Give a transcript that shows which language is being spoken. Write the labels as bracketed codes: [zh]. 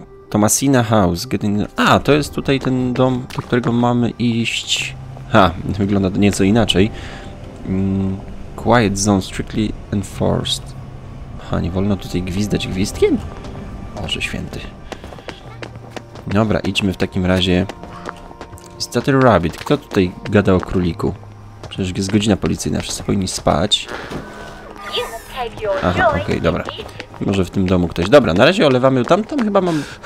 [pl] Thomasina House. A, to jest tutaj ten dom, do którego mamy iść. Ha, wygląda to nieco inaczej. [en] Quiet zone, strictly enforced. [pl] Ha, nie wolno tutaj gwizdać gwizdkiem? Boże święty. Dobra, idźmy w takim razie. Stutter Rabbit. Kto tutaj gada o króliku? Przecież jest godzina policyjna, wszyscy powinni spać. Aha, okej, dobra. Może w tym domu ktoś. Dobra, na razie olewamy. Tam chyba mam...